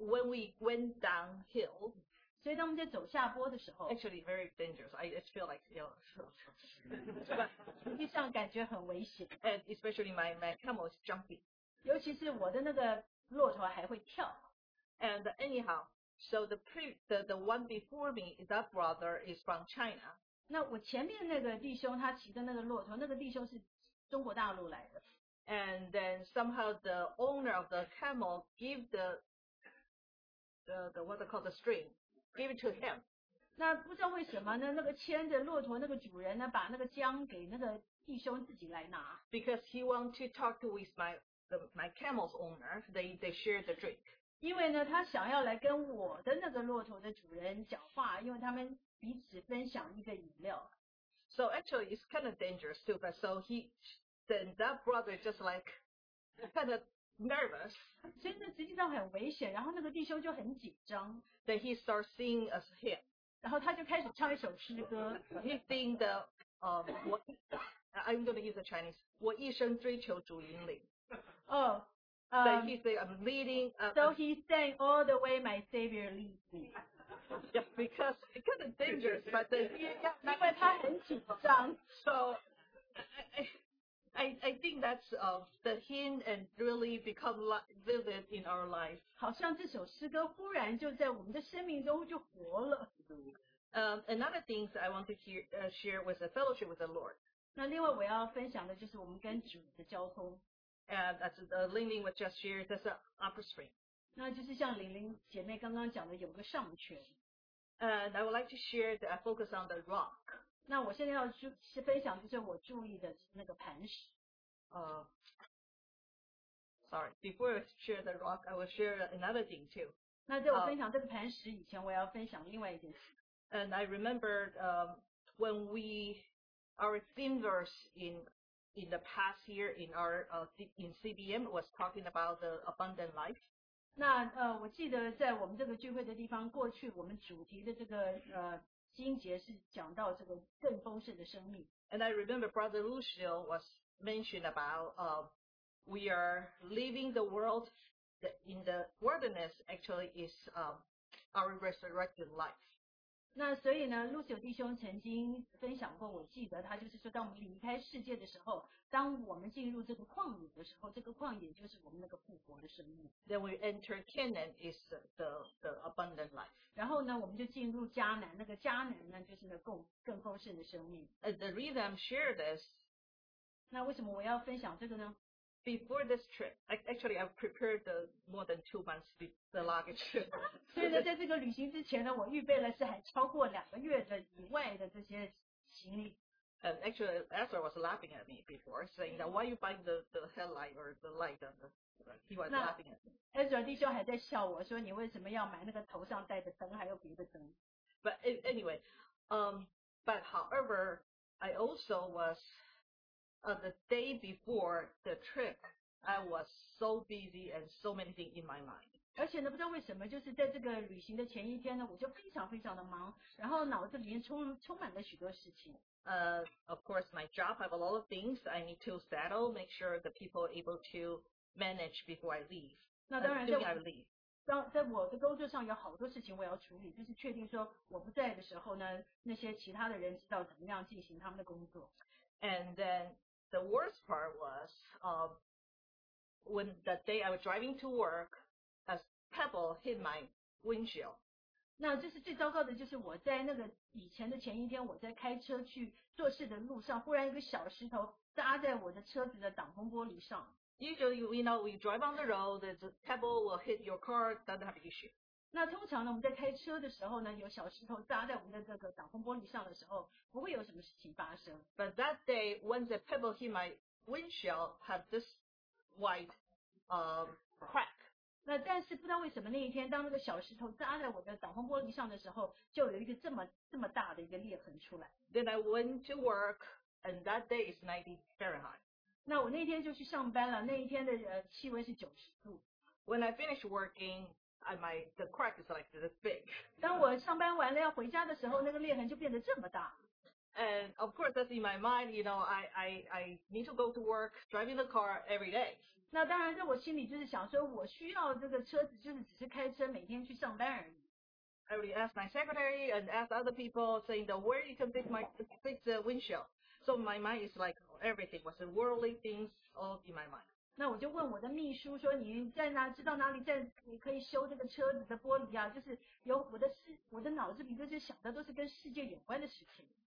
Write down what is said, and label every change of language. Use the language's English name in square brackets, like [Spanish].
[English] when we went downhill. [Chinese] 所以当我们在走下坡的时候, [English] actually, very dangerous. I just feel like, you know, [Chinese] 地上感觉很危险。 [English] And especially my camel is jumping. [Chinese] 尤其是我的那个骆驼还会跳。 [English] And anyhow, so the one before me, that brother is from China. [Chinese] 那我前面那个弟兄他骑的那个骆驼，那个弟兄是中国大陆来的。 [English] And then somehow the owner of the camel give the what they call the string. Give it to him. [Chinese] 那不知道为什么呢？那个牵着骆驼那个主人呢，把那个缰给那个弟兄自己来拿。 [English] Because he wanted to talk with my camel's owner, they share the drink. [Chinese] 因为呢，他想要来跟我的那个骆驼的主人讲话，因为他们彼此分享一个饮料。 [English] So actually, it's kind of dangerous too. But so he, then that brother just like kind of nervous. [Chinese] 所以呢，实际上很危险。然后那个弟兄就很紧张。 [English] Then he starts singing a hymn. [Chinese] 然后他就开始唱一首诗歌。 [English] He sing the I'm gonna use the Chinese. [Chinese] 我一生追求主引领。 [English] Oh. So he sang all the way my Savior leads me. Yeah, because it's kind of dangerous, but then, yeah, [Chinese] 因为他很紧张. [English] So I think that's the hint and really become vivid in our life. [Chinese] 好像这首诗歌忽然就在我们的生命中就活了。 [English] Another thing that I want to share was a fellowship with the Lord. [Chinese] 那另外我要分享的就是我们跟主的交通。 [English] And that's the Lingling was just shared, that's an upper stream. [Chinese] 那就是像玲玲姐妹刚刚讲的有个上泉。 [English] And I would like to share that I focus on the rock. [Chinese] 那我现在要分享就是我注意的那个磐石。 [English] Sorry, before I share the rock, I will share another thing too. [Chinese] 那在我分享这个磐石以前我要分享另外一件事。 [English] And I remembered our theme verse in the past year in our in CBM was talking about the abundant life. [Chinese] 那我记得在我们这个聚会的地方，过去我们主题的这个经节是讲到这个更丰盛的生命。 [English] And I remember Brother Lucio was mentioned about we are living the world in the wilderness actually is our resurrected life. [Chinese] 那所以呢，路九弟兄曾经分享过，我记得他就是说，当我们离开世界的时候，当我们进入这个旷野的时候，这个旷野就是我们那个复活的生命。 [English] Then we enter Canaan is the abundant life. [Chinese] 然后呢，我们就进入迦南，那个迦南呢，就是那更丰盛的生命。 [English] The reason I'm share this. [Chinese] 那为什么我要分享这个呢？ [English] Before this trip, actually I've prepared the more than 2 months the luggage. [Chinese] 所以呢，在这个旅行之前呢，我预备了是还超过两个月的以外的这些行李。 [English] Actually, Ezra was laughing at me before, saying that why you buy the headlight or the light on the. He was laughing at me. [Chinese] Ezra 弟兄还在笑我说你为什么要买那个头上戴的灯，还有别的灯。 [English] But anyway, but however, I also was. The day before the trip, I was so busy and so many things in my mind. [Chinese] 而且呢，不知道为什么，就是在这个旅行的前一天呢，我就非常非常的忙，然后脑子里面充满了许多事情。 [English] Of course, my job, I have a lot of things I need to settle, make sure the people are able to manage before I leave. [Chinese] 那当然在我的工作上有好多事情我要处理，就是确定说我不在的时候呢，那些其他的人知道怎么样进行他们的工作。 [English] And then the worst part was when the day I was driving to work, a pebble hit my windshield. [Chinese] 那就是最糟糕的，就是我在那个以前的前一天，我在开车去做事的路上，忽然一个小石头扎在我的车子的挡风玻璃上。 [English] Usually, you know, we drive on the road, the pebble will hit your car, doesn't have an issue. [Chinese] 那通常呢，我们在开车的时候呢，有小石头扎在我们的这个挡风玻璃上的时候，不会有什么事情发生。 [English] But that day, when the pebble hit my windshield, had this white crack. [Chinese] 那但是不知道为什么那一天，当那个小石头扎在我的挡风玻璃上的时候，就有一个这么大的一个裂痕出来。 [English] Then I went to work, and that day is 90 Fahrenheit. [Chinese] 那我那天就去上班了，那一天的气温是90度。 [English] When I finished working,the crack is like this big. [Chinese] 当我上班完了要回家的时候，那个裂痕就变得这么大。 [English] And of course, that's in my mind. You know, I need to go to work, driving the car every day. [Chinese] 那当然，在我心里就是想说，我需要这个车子，就是只是开车每天去上班而已。 [English] I would ask my secretary and ask other people, saying that where you can fix the windshield. So my mind is like everything was worldly things all in my mind. [Chinese] 那我就问我的秘书说你在哪知道哪里在你可以修这个车子的玻璃啊，就是有我的脑子里就是想的都是跟世界有关的事情。